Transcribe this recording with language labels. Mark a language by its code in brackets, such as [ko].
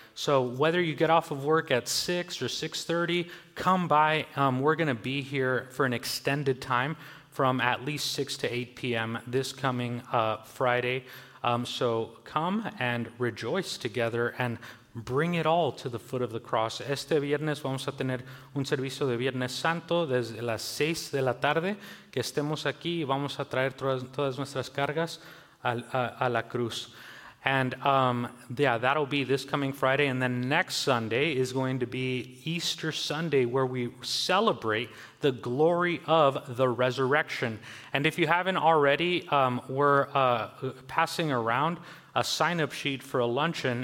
[en] So whether you get off of work at 6 or 6:30, come by. We're going to be here for an extended time from at least 6 to 8 p.m. this coming Friday. So come and rejoice together and bring it all to the foot of the cross. [es] Este viernes vamos a tener un servicio de Viernes Santo desde las 6 de la tarde. Que estemos aquí y vamos a traer todas nuestras cargas a la cruz. [en] And that'll be this coming Friday. And then next Sunday is going to be Easter Sunday, where we celebrate the glory of the resurrection. And if you haven't already, passing around a sign-up sheet for a luncheon.